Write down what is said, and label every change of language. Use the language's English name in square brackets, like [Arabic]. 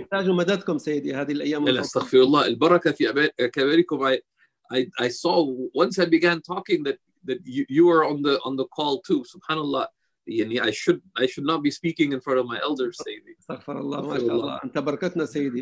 [Arabic] نحتاج مددكم سيدي هذه الأيام. لا استغفر الله البركة في كبركم. [English] I saw once I began talking that you were on the call too. [Arabic] سبحان الله. [English] يعني I should not be speaking in front of my elders سيدي. [Arabic] استغفر الله ما شاء الله. أنت بركتنا سيدي.